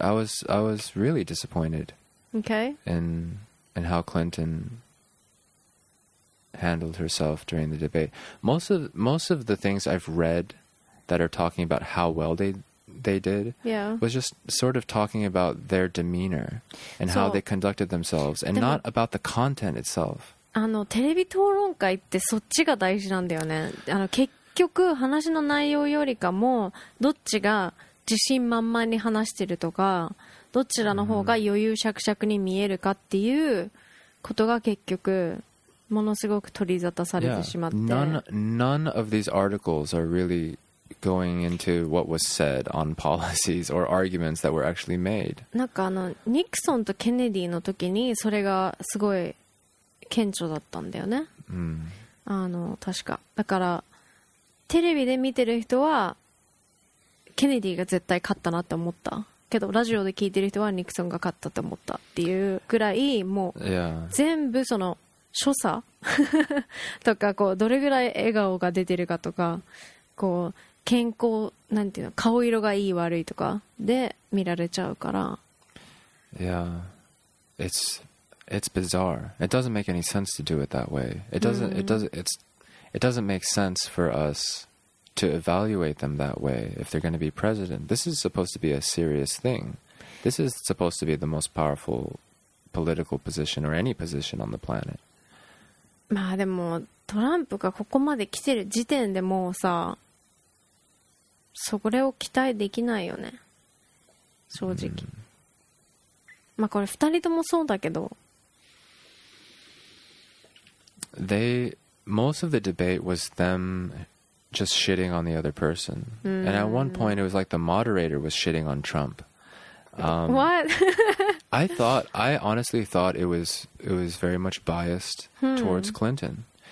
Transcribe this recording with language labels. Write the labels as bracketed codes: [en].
[en] I was really disappointed in how Clinton handled herself during the debate. Most of the things I've read that are talking about how well they did was just sort of talking about their demeanor and how they conducted themselves and not about the content itself. [ja] テレビ討論会ってそっちが大事なんだよね。結局話の内容よりかもどっちが自信満々に話してるとかどちらの方が余裕しゃくしゃくに見えるかっていうことが結局ものすごく取り沙汰されてしまって、 [en] none of these articles are reallygoing into what was said on policies or arguments that were actually made. [ja] なんかニクソンとケネディの時にそれがすごい顕著だったんだよね。確か。だからテレビで見てる人はケネディが絶対勝ったなって思ったけど、ラジオで聞いてる人はニクソンが勝ったって思ったっていうぐらい、もう全部その所作とかこうどれぐらい笑顔が出てるかとかこう健康なんていうの顔色がいい悪いとかで見られちゃうから、 [en] Yeah, it's bizarre. It doesn't make any sense to do it that way. It doesn't make sense for us to evaluate them that way if they're going to be president. This is supposed to be a serious thing. This is supposed to be the most powerful political position or any position on the planet. [ja] まあでもトランプがここまで来てる時点でもうさ、それを期待できないよね正直。まあこれ2人ともそうだけど、 [en] most of the debate was them just shitting on the other person. And at one point it was like the moderator was shitting on Trump. What? I honestly thought it was very much biased towards Clinton.